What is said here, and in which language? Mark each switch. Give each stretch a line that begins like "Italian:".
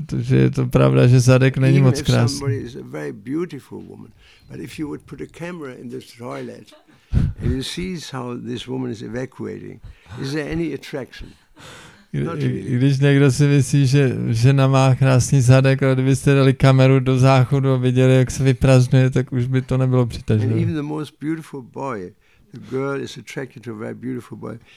Czech: Protože je to pravda, že zadek není moc krásný.
English: Somebody is a very beautiful woman, but if you would put a camera in this toilet. And you see how this woman is evacuating. Is there any attraction?
Czech: Když někdo si myslí, že žena má krásný zadek, ale kdybyste dali kameru do záchodu a viděli, jak se vyprazňuje, tak už by to nebylo přitažlivé.
English: And even the most beautiful boy, the girl is attracted to a very beautiful boy.